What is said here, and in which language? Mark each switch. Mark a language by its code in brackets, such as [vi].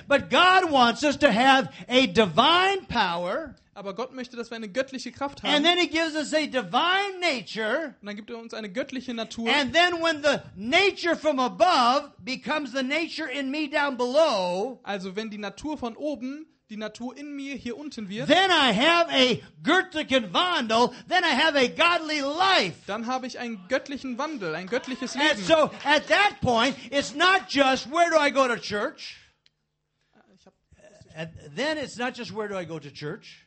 [en] But God wants us to have a divine power. [de] Aber Gott möchte, dass wir eine göttliche Kraft haben. [en] And then he gives us a divine nature. [de] Und dann gibt er uns eine göttliche Natur. [en] And then when the nature from above becomes the nature in me down below, [de] also wenn die Natur von oben die Natur in mir hier unten wird, [en] then I have a [de] göttlichen Wandel, [en] then I have a godly life. [de] Dann habe ich einen göttlichen Wandel, ein göttliches Leben. [en] And so at that point it's not just where do I go to church? And then it's not just where do I go to church?